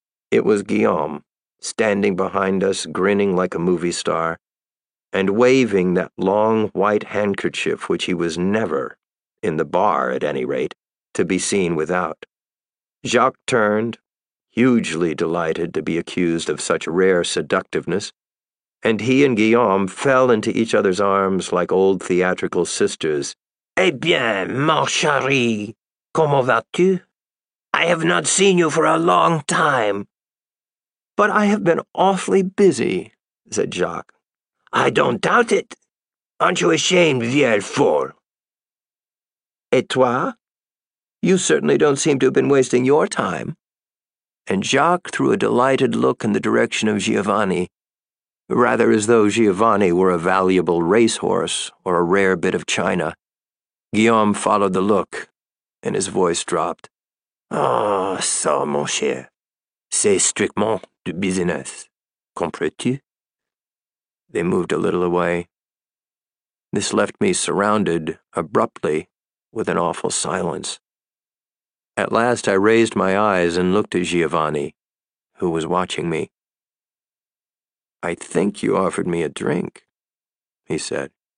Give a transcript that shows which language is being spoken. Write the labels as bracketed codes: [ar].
[en] It was Guillaume, standing behind us, grinning like a movie star, and waving that long white handkerchief which he was never, in the bar at any rate, to be seen without. Jacques turned, hugely delighted to be accused of such rare seductiveness, and he and Guillaume fell into each other's arms like old theatrical sisters. [fr] Eh bien, mon chéri, comment vas-tu? [en] I have not seen you for a long time. But I have been awfully busy, said Jacques. I don't doubt it. Aren't you ashamed, [fr] vieille folle? Et toi? [en] You certainly don't seem to have been wasting your time. And Jacques threw a delighted look in the direction of Giovanni, rather as though Giovanni were a valuable racehorse or a rare bit of china. Guillaume followed the look, and his voice dropped. [fr] Ah, oh, ça, mon cher, c'est strictement du business, comprends-tu? [en] They moved a little away. This left me surrounded, abruptly, with an awful silence. At last I raised my eyes and looked at Giovanni, who was watching me. I think you offered me a drink, he said.